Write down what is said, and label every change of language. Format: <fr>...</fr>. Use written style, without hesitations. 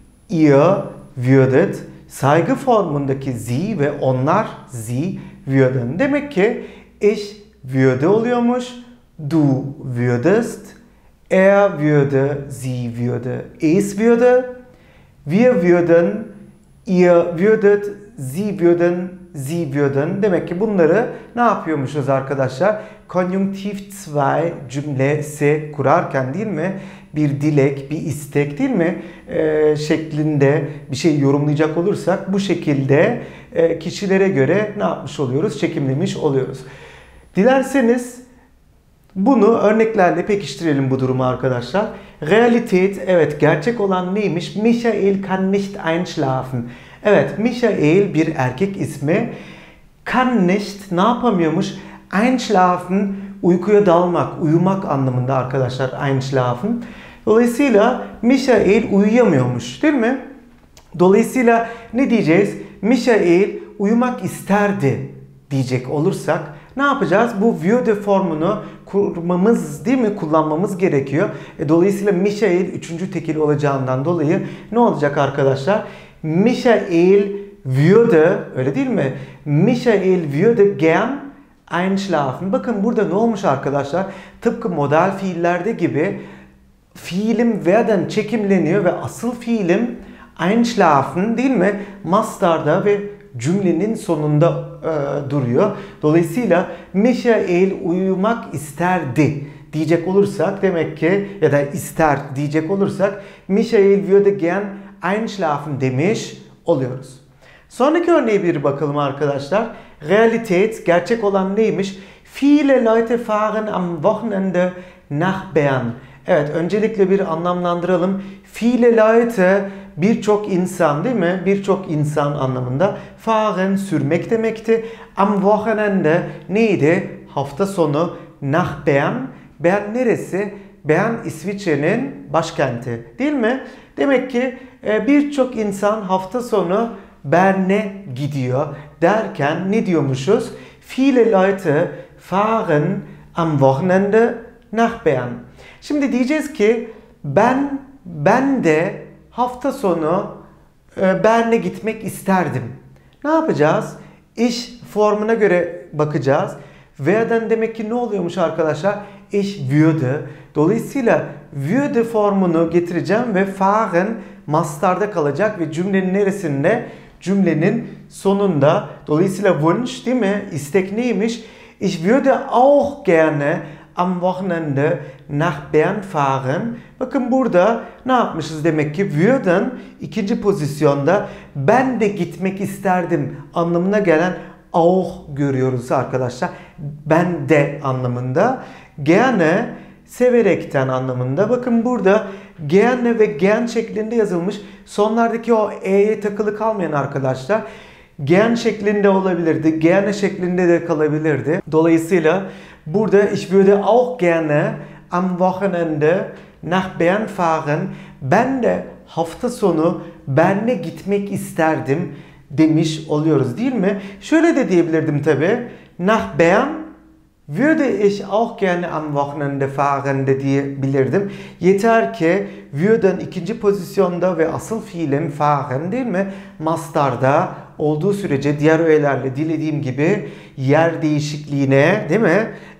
<de>Ihr würdet,</de> <tr>saygı formundaki</tr> <de>sie</de> <tr>ve onlar</tr> <de>sie würden.</de> <tr>Demek ki</tr> <de>ich würde</de> <tr>oluyormuş,</tr> <de>du würdest, er würde, sie würde, es würde, wir würden, ihr würdet, sie würden, sie würden.</de> <tr>Demek ki bunları ne yapıyormuşuz arkadaşlar? Konjunktif 2 cümlesi kurarken değil mi? Bir dilek, bir istek değil mi? Şeklinde bir şey yorumlayacak olursak bu şekilde kişilere göre ne yapmış oluyoruz? Çekimlemiş oluyoruz. Dilerseniz bunu örneklerle pekiştirelim bu durumu arkadaşlar. Realität, evet, gerçek olan neymiş?</tr> <de>Michael kann nicht einschlafen.</de> <tr>Evet, Michael bir erkek ismi. Kann nicht, ne yapamıyormuş? Einschlafen, uykuya dalmak, uyumak anlamında arkadaşlar, einschlafen. Dolayısıyla Michael uyuyamıyormuş, değil mi? Dolayısıyla ne diyeceğiz? Michael uyumak isterdi diyecek olursak ne yapacağız? Bu würde formunu kurmamız, değil mi? Kullanmamız gerekiyor. Dolayısıyla Michael üçüncü tekil olacağından dolayı ne olacak arkadaşlar? Michael würde, öyle değil mi?</tr> <de>Michael würde gern einschlafen.</de> <tr>Bakın burada ne olmuş arkadaşlar? Tıpkı modal fiillerde gibi fiilim werden çekimleniyor ve asıl fiilim einschlafen değil mi? Mastarda ve cümlenin sonunda duruyor. Dolayısıyla Michael uyumak isterdi diyecek olursak, demek ki ya da ister diyecek olursak,</tr> <de>Michael würde gern einschlafen</de> <tr>demiş oluyoruz. Sonraki örneğe bir bakalım arkadaşlar. Realität, gerçek olan neymiş?</tr> <de>Viele Leute fahren am Wochenende nach Bern.</de> <tr>Evet, öncelikle bir anlamlandıralım.</tr> <de>Viele Leute,</de> <tr>birçok insan değil mi? Birçok insan anlamında. Fahren, sürmek demekti.</tr> <de>Am Wochenende</de> <tr>neydi? Hafta sonu.</tr> <de>Nach Bern.</de> <tr>Bern neresi? Bern İsviçre'nin başkenti. Değil mi? Demek ki birçok insan hafta sonu Bern'e gidiyor derken ne diyormuşuz?</tr> <de>Viele Leute fahren am Wochenende nach Bern.</de> <tr>Şimdi diyeceğiz ki ben de hafta sonu Bern'e gitmek isterdim. Ne yapacağız? Ich formuna göre bakacağız. Werden demek ki ne oluyormuş arkadaşlar?</tr> <de>Ich würde.</de> <tr>Dolayısıyla würde formunu getireceğim ve fahren mastarda kalacak ve cümlenin neresinde? Cümlenin sonunda. Dolayısıyla Wunsch değil mi? İstek neymiş?</tr> <de>Ich würde auch gerne am Wochenende nach Bern fahren.</de> <tr>Bakın burada ne yapmışız demek ki? Würden ikinci pozisyonda ben de gitmek isterdim anlamına gelen auch görüyoruz arkadaşlar. Ben de anlamında. Gerne severekten anlamında. Bakın burada gerne ve gern şeklinde yazılmış. Sonlardaki o e'ye takılı kalmayan arkadaşlar. Gern şeklinde olabilirdi. Gerne şeklinde de kalabilirdi. Dolayısıyla burada</tr> <de>ich würde auch gerne am Wochenende nach Bern fahren.</de> <tr>Ben de hafta sonu Bern'e gitmek isterdim demiş oluyoruz, değil mi? Şöyle de diyebilirdim tabii.</tr> <de>Nach Bern würde ich auch gerne am Wochenende fahren</de> <tr>de diyebilirdim. Yeter ki würden ikinci pozisyonda ve asıl fiilim fahren değil mi? Mastarda olduğu sürece diğer öğelerle dilediğim gibi yer değişikliğine değil mi?</tr>